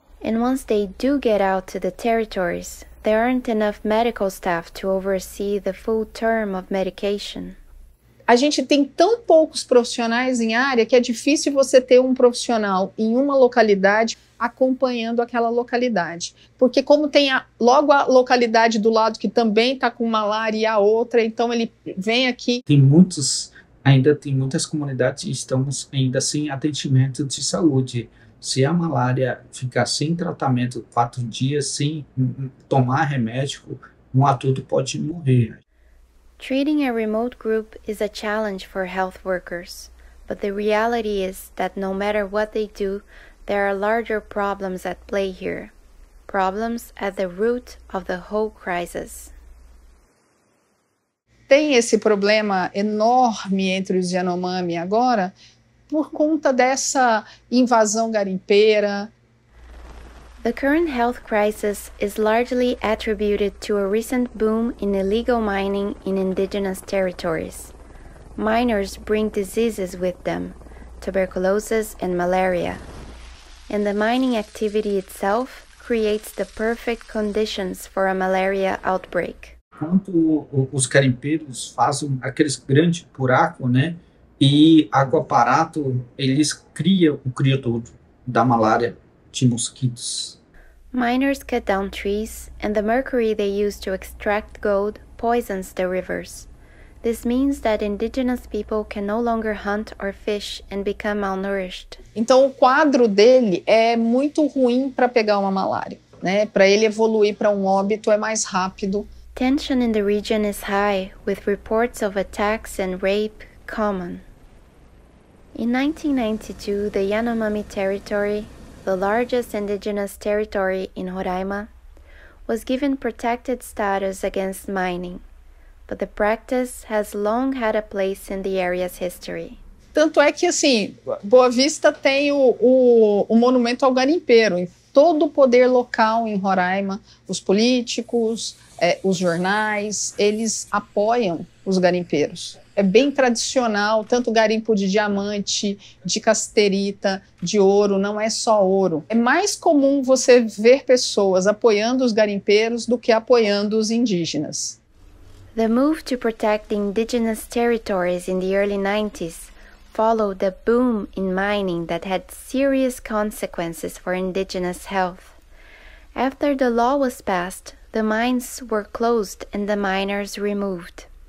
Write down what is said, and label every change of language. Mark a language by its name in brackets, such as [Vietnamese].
[English] And once they do get out to the territories, there aren't enough medical staff to oversee the full term of medication. [Portuguese] A gente tem tão poucos profissionais em área que é difícil você ter um profissional em uma localidade acompanhando aquela localidade. Porque como tem logo a localidade do lado que também está com malária e a outra, então ele vem aqui. Tem muitas comunidades que estamos ainda sem atendimento de saúde. Se a malária ficar sem tratamento 4 dias, sem tomar remédio, um adulto pode morrer. [English] Treating a remote group is a challenge for health workers, but the reality is that no matter what they do, there are larger problems at play here, problems at the root of the whole crisis. [Portuguese] Tem esse problema enorme entre os Yanomami agora por conta dessa invasão garimpeira. [English] The current health crisis is largely attributed to a recent boom in illegal mining in indigenous territories. Miners bring diseases with them, tuberculosis and malaria. And the mining activity itself creates the perfect conditions for a malaria outbreak. [Portuguese] Quando os garimpeiros fazem aquele grande buraco, né, e água parado, eles criam o criador da malária de mosquitos. [English] Miners cut down trees, and the mercury they use to extract gold poisons the rivers. This means that indigenous people can no longer hunt or fish and become malnourished. [Portuguese] Então o quadro dele é muito ruim para pegar uma malária, né? Para ele evoluir para óbito é mais rápido. [English] Tension in the region is high, with reports of attacks and rape common. In 1992, the Yanomami territory, the largest indigenous territory in Roraima, was given protected status against mining. But the practice has long had a place in the area's history. [Portuguese] Tanto é que, assim, Boa Vista tem o monumento ao garimpeiro. Todo o poder local em Roraima, os políticos, os jornais, eles apoiam os garimpeiros. É bem tradicional, tanto garimpo de diamante, de cassiterita, de ouro, não é só ouro. É mais comum você ver pessoas apoiando os garimpeiros do que apoiando os indígenas. [English] The move to protect the indigenous territories in the early 90s followed a boom in mining that had serious consequences for indigenous health. After the law was passed, the mines were closed and the miners removed.